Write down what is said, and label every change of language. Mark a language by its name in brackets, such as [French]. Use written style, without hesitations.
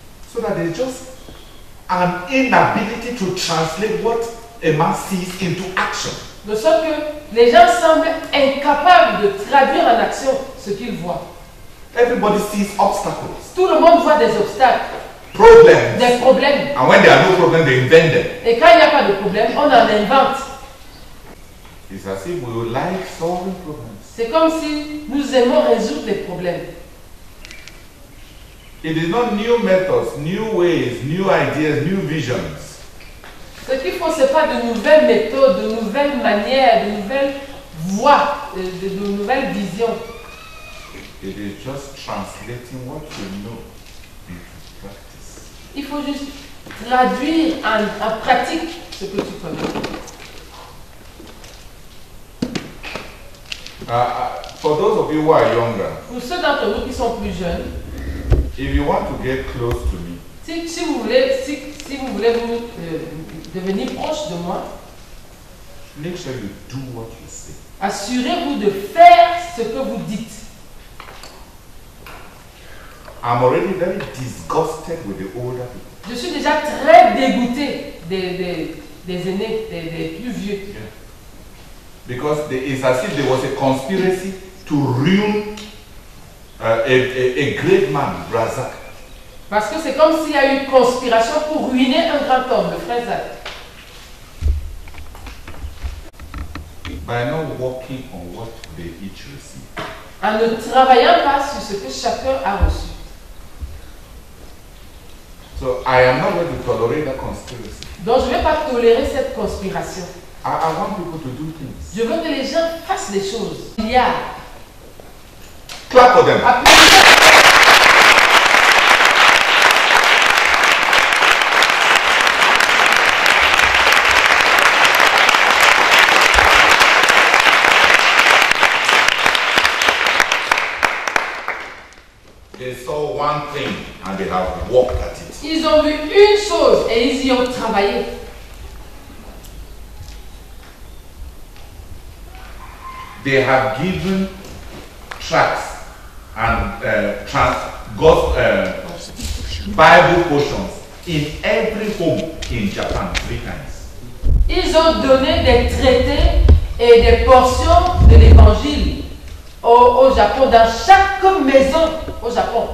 [English] So that there's just an inability to translate what a man sees into action. [French] De sorte que les gens semblent incapables de traduire en action ce qu'ils voient. [English] Everybody sees obstacles. [French] Tout le monde voit des obstacles. [English] Problems. [French] Des problèmes. [English] And when there are no problems, they invent them. [French] Et quand il n'y a pas de problème, on en invente. [English] It's as if we would like solving problems. [French] C'est comme si nous aimons résoudre les problèmes. [English] It is not new methods, new ways, new ideas, new visions. [French] Ce qu'il faut, ce n'est pas de nouvelles méthodes, de nouvelles manières, de nouvelles voies, de nouvelles visions. [English] It is just translating what you know into practice. [French] Il faut juste traduire en pratique ce que tu connais. [English] For those of you who are younger, [French] pour ceux d'entre vous qui sont plus jeunes, [English] if you want to get close to me, [French] si vous voulez devenir proche de moi, [English] make sure you do what you say. [French] Assurez-vous de faire ce que vous dites. [English] I'm already very disgusted with the older people. [French] Je suis déjà très dégoûté des aînés, des plus vieux. [English] Yeah. Because there is as if there was a conspiracy to ruin a great man, Razak. [French] Parce que c'est comme s'il y a eu une conspiration pour ruiner un grand homme, le frère Zak. [English] By not working on what they each receive. [French] En ne travaillant pas sur ce que chacun a reçu. [English] So I am not going to tolerate that conspiracy. [French] Donc je ne vais pas tolérer cette conspiration. [English] I want people to do things. [French] Je veux que les gens fassent les choses. Il y a. [English] Clap for them. They saw one thing and they have worked at it. [French] Ils ont vu une chose et ils y ont travaillé. [English] They have given tracts and Bible portions in every home in Japan 3 times. [French] Ils ont donné des traités et des portions de l'Évangile au Japon dans chaque maison au Japon.